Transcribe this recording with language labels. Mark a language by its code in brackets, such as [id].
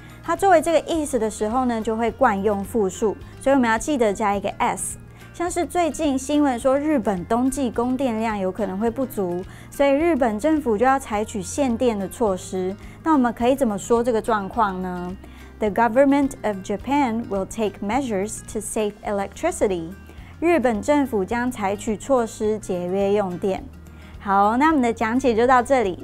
[zh] 它作为这个意思的时候呢，就会惯用复数，所以我们要记得加一个 s。像是最近新闻说日本冬季供电量有可能会不足，所以日本政府就要采取限电的措施。那我们可以怎么说这个状况呢？ [en] The government of Japan will take measures to save electricity. [zh] 日本政府将采取措施节约用电。好，那我们的讲解就到这里。